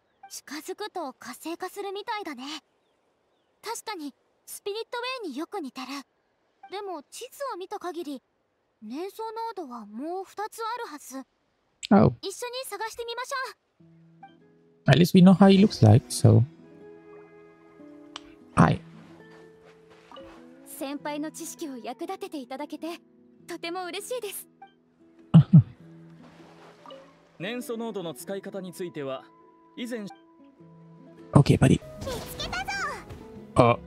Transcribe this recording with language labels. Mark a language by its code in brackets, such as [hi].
[ja] 近づくと活性化するみたいだね。確かにスピリットウェイによく似てる。でも地図を見た限り粘素濃度はもう2つあるはず。一緒に探してみましょう。 [en] At least we know how he looks like, so. Hi. [ja] 先輩の知識を役立てていただけてとても嬉しいです。粘素濃度の使い方については以前。 [en] OK バディ [ja] 見つけたぞ。あ、